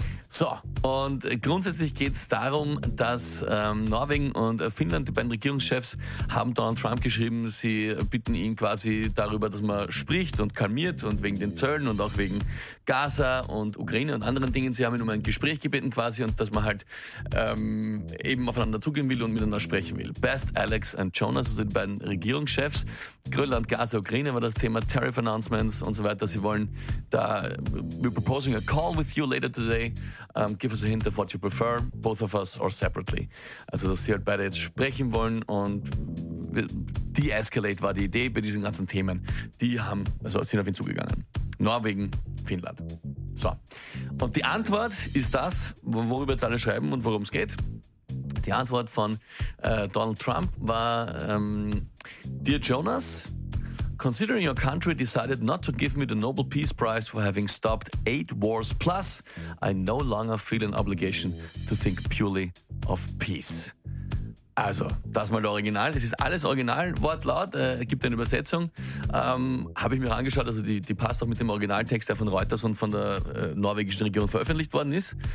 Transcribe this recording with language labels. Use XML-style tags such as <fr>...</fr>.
<de>So, und grundsätzlich geht es darum, dass Norwegen und Finnland, die beiden Regierungschefs, haben Donald Trump geschrieben, sie bitten ihn quasi darüber, dass man spricht und kalmiert und wegen den Zöllen und auch wegen Gaza und Ukraine und anderen Dingen. Sie haben ihn um ein Gespräch gebeten quasi und dass man halt eben aufeinander zugehen will und miteinander sprechen will. Best, Alex und Jonas, also die beiden Regierungschefs. Grönland, Gaza, Ukraine war das Thema, Tariff Announcements und so weiter. Sie wollen da,</de> <en>we're proposing a call with you later today. Give us a hint of what you prefer, both of us or separately.</en> <de>Also, dass sie halt beide jetzt sprechen wollen und de-escalate war die Idee bei diesen ganzen Themen. Die haben, also sind auf ihn zugegangen. Norwegen, Finnland. So. Und die Antwort ist das, worüber jetzt alle schreiben und worum es geht. Die Antwort von Donald Trump war,</de> <en>Dear Jonas, considering your country decided not to give me the Nobel Peace Prize for having stopped 8 wars plus, I no longer feel an obligation to think purely of peace.</en> <de>Also, das mal der Original. Es ist alles Original, Wortlaut, gibt eine Übersetzung. Habe ich mir angeschaut, also die passt auch mit dem Originaltext, der von Reuters und von der norwegischen Regierung veröffentlicht worden ist.</de>